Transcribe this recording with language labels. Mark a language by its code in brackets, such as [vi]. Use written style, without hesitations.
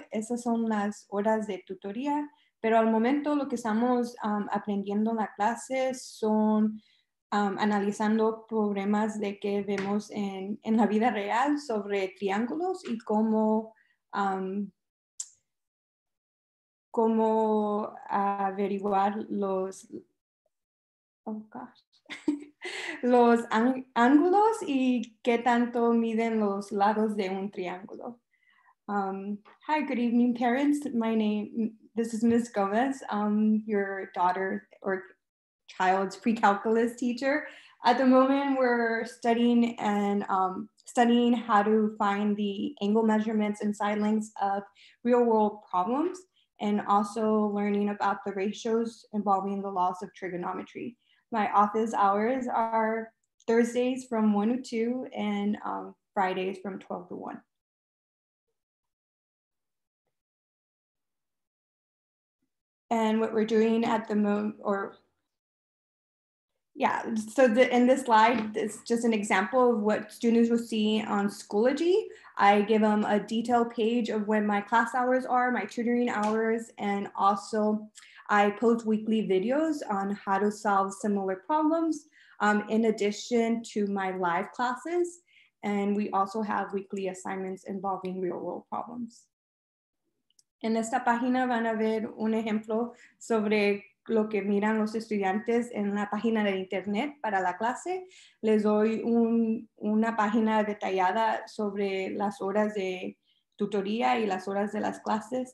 [es] Esas son las horas de tutoría. Pero al momento lo que estamos aprendiendo en la clase son analizando problemas de que vemos en la vida real sobre triángulos y cómo averiguar los ángulos y qué tanto miden los lados de un triángulo. [en] Hi, good evening, parents. This is Ms. Gomez, your daughter or child's pre-calculus teacher. At the moment, we're studying how to find the angle measurements and side lengths of real-world problems, and also learning about the ratios involving the laws of trigonometry. My office hours are Thursdays from 1 to 2 and Fridays from 12 to 1. And what we're doing at the moment, Yeah, so in this slide, it's just an example of what students will see on Schoology. I give them a detailed page of when my class hours are, my tutoring hours, and also I post weekly videos on how to solve similar problems in addition to my live classes. And we also have weekly assignments involving real world problems. [es] En esta página van a ver un ejemplo sobre lo que miran los estudiantes en la página de internet para la clase. Les doy una página detallada sobre las horas de tutoría y las horas de las clases.